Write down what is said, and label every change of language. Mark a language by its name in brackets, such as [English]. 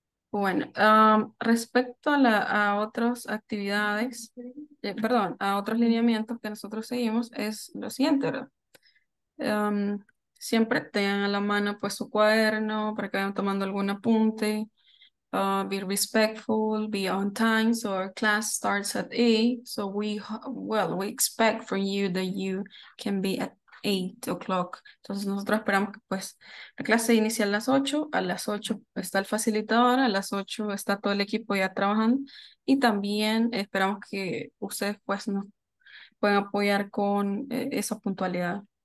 [Spanish] Bueno, respecto a la a otras actividades, perdón, a otros lineamientos que nosotros seguimos, es lo siguiente, ¿verdad? Siempre tengan a la mano pues su cuaderno para que vayan tomando algún apunte. [English] Be respectful, be on time, so our class starts at 8, so we expect from you that you can be at 8 o'clock. [Spanish] Entonces nosotros esperamos que pues la clase inicie a las 8, a las 8 está el facilitador, a las 8 está todo el equipo ya trabajando, y también esperamos que ustedes pues nos puedan apoyar con esa puntualidad.